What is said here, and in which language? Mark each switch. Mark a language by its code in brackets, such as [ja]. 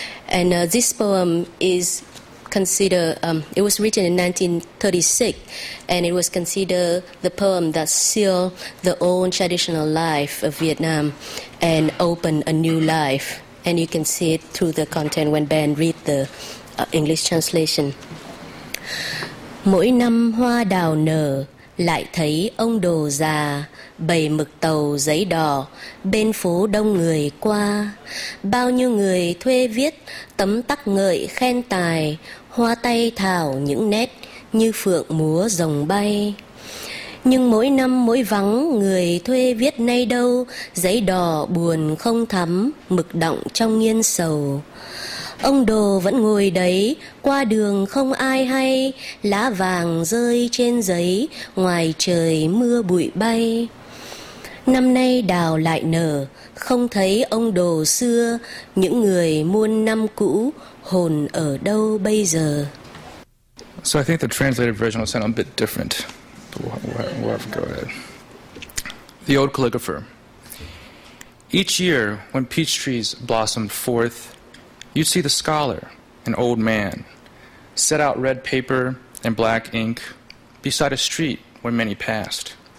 [en] And this poem is considered, it was written in 1936, and it was considered the poem that sealed the old traditional life of Vietnam and opened a new life. And you can see it through the content when Ben read the English translation. [vi] Mỗi năm hoa đào nở, lại thấy ông đồ già bày mực tàu giấy đỏ bên phố đông người qua. Bao nhiêu người thuê viết tấm tắc ngợi khen tài, hoa tay thảo những nét như phượng múa rồng bay. Nhưng mỗi năm mỗi vắng người thuê viết nay đâu, giấy đỏ buồn không thắm, mực đọng trong nghiên sầu. Ông đồ vẫn ngồi đấy, qua đường không ai hay, lá vàng rơi trên giấy, ngoài trời mưa bụi bay. Năm nay đào lại nở, không thấy ông đồ xưa, những người muôn năm cũ, hồn ở đâu bây giờ? [en] So I think the translated version will sound a bit different. We'll have to go ahead. The old calligrapher. Each year, when peach trees blossomed forth, you'd see the scholar, an old man, set out red paper and black ink beside a street where many passed.